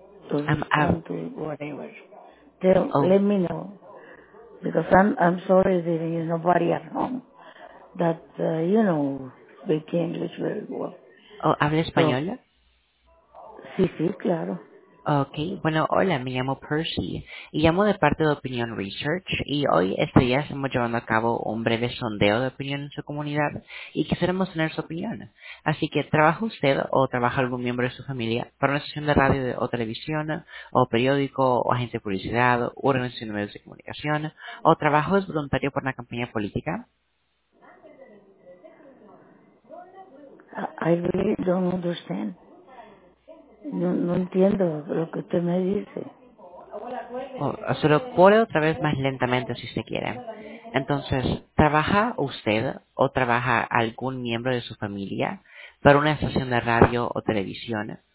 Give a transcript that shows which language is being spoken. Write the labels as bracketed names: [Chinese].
[English] To whatever. Let me know. Because I'm sorry there is nobody at home that, you know, speak English very well. [Spanish] Oh, ¿habla español? Sí, sí, claro. Okay, bueno, hola, me llamo Percy y llamo de parte de Opinion Research y hoy este día estamos llevando a cabo un breve sondeo de opinión en su comunidad y quisiéramos tener su opinión. Así que, ¿trabaja usted o trabaja algún miembro de su familia para una estación de radio o televisión o periódico o agencia de publicidad o organización de medios de comunicación o trabajo es voluntario para una campaña política? [English] I really don't understand. [Spanish] No entiendo lo que usted me dice. Oh, se lo pone otra vez más lentamente si se quiere. Entonces, ¿trabaja usted o trabaja algún miembro de su familia para una estación de radio o televisión?